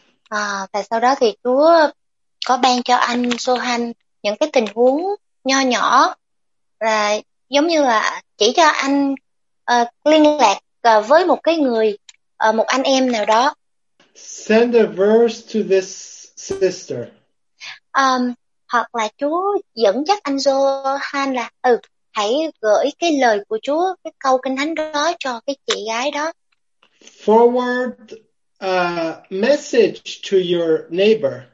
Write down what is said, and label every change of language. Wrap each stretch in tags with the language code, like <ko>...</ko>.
<vi>Và sau đó thì Chúa có ban cho anh Johan những cái tình huống nho nhỏ là giống như là chỉ cho anh liên lạc với một cái người, một anh em nào đó.</vi> <en>Send a verse to this sister.</en> <vi>Hoặc là Chúa dẫn dắt anh Johan là hãy gửi cái lời của Chúa, cái câu kinh thánh đó cho cái chị gái đó.</vi> <en>Forward a message to your neighbor.</en>